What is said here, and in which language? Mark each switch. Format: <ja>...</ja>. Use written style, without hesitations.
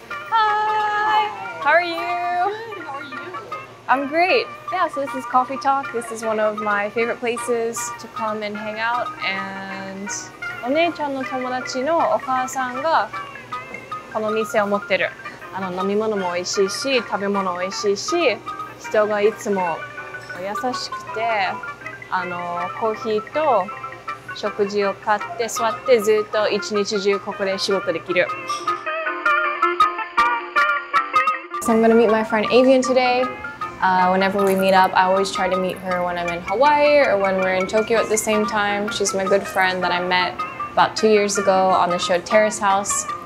<en>Hi! How are you? Good, how are you? I'm great. Yeah, so this is Coffee Talk. This is one of my favorite places to come and hang out.</en> <ja>And お姉ちゃんの友達のお母さんがこの店を持ってる。あの飲み物も美味しいし、食べ物美味しいし、人がいつも優しくて、あのコーヒーと食事を買って座ってずっと一日中ここで仕事できる。</ja> <en>So I'm gonna meet my friend Avian today. Whenever we meet up, I always try to meet her when I'm in Hawaii or when we're in Tokyo at the same time. She's my good friend that I met about 2 years ago on the show Terrace House.</en>